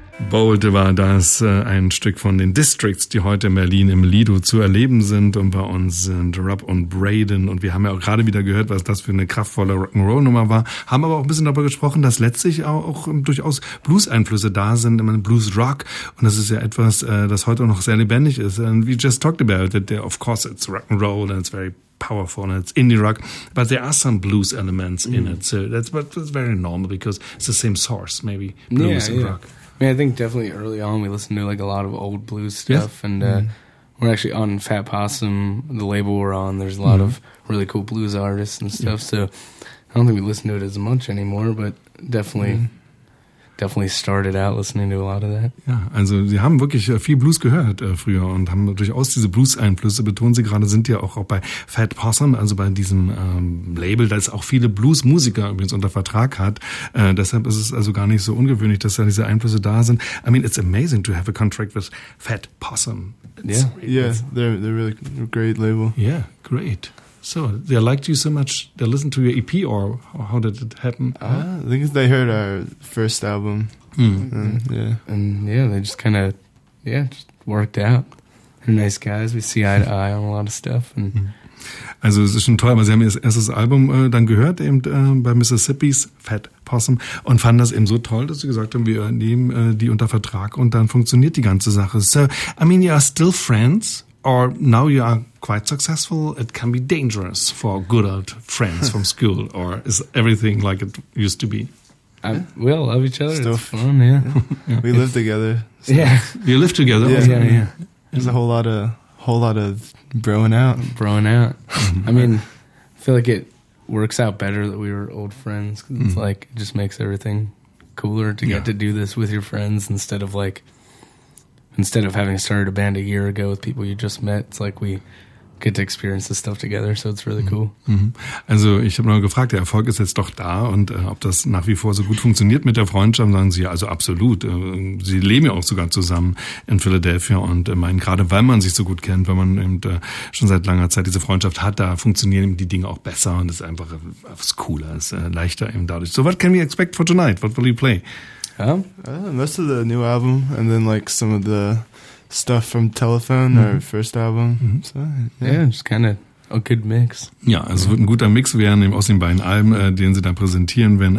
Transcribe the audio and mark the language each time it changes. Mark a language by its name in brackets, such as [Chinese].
[German] Bold war das, ein Stück von den Districts, die heute in Berlin im Lido zu erleben sind. Und bei uns sind Rob und Braden. Und wir haben ja auch gerade wieder gehört, was das für eine kraftvolle Rock'n'Roll-Nummer war. Haben aber auch ein bisschen darüber gesprochen, dass letztlich auch durchaus Blues-Einflüsse da sind, immer Blues-Rock. Und das ist ja etwas, das heute noch sehr lebendig ist. [English] And we just talked about it. Of course, it's Rock'n'Roll and it's very powerful and it's indie rock, but there are some blues elements in it. So that's very normal because it's the same source, maybe, blues and rock. I mean, I think definitely early on we listened to like a lot of old blues stuff, and we're actually on Fat Possum, the label we're on. There's a lot of really cool blues artists and stuff, so I don't think we listen to it as much anymore, but definitely definitely started out listening to a lot of that. [German] Ja, also sie haben wirklich viel Blues gehört früher und haben durchaus diese Blues-Einflüsse, betonen sie gerade, sind ja auch bei Fat Possum, also bei diesem Label, das auch viele Blues-Musiker übrigens unter Vertrag hat. Deshalb ist es also gar nicht so ungewöhnlich, dass da diese Einflüsse da sind. [English] I mean, it's amazing to have a contract with Fat Possum. It's They're really great label. Yeah, great. So, they liked you so much, they listened to your EP, or how did it happen? I think they heard our first album. And they just kind of, just worked out. They're nice guys, we see eye to eye on a lot of stuff. And [German] also, es ist schon toll, aber sie haben ihr erstes Album dann gehört, eben bei Mississippi's Fat Possum, und fanden das eben so toll, dass sie gesagt haben, wir nehmen die unter Vertrag und dann funktioniert die ganze Sache. [English] So, I mean, you are still friends. Or now you are quite successful, it can be dangerous for good old friends from school, or is everything like it used to be? We all love each other. Still it's fun, yeah. We live together. So. Yeah. You live together? There's a whole lot of broing out. Broing out. I mean, I feel like it works out better that we were old friends, because it's like, it just makes everything cooler to get to do this with your friends instead of like, instead of having started a band a year ago with people you just met, it's like we get to experience this stuff together, so it's really cool. [German] Also ich habe noch gefragt, der Erfolg ist jetzt doch da, und ob das nach wie vor so gut funktioniert mit der Freundschaft, sagen sie, also absolut. Sie leben ja auch sogar zusammen in Philadelphia und meinen, gerade weil man sich so gut kennt, weil man eben schon seit langer Zeit diese Freundschaft hat, da funktionieren eben die Dinge auch besser und es ist einfach cooler, es ist leichter eben dadurch. [English] So what can we expect for tonight? What will you play? Most of the new album, and then like some of the stuff from Telephone, our first album. Just kind of a good mix. [German] Ja, es wird ein guter Mix werden aus den beiden Alben, den sie dann präsentieren werden.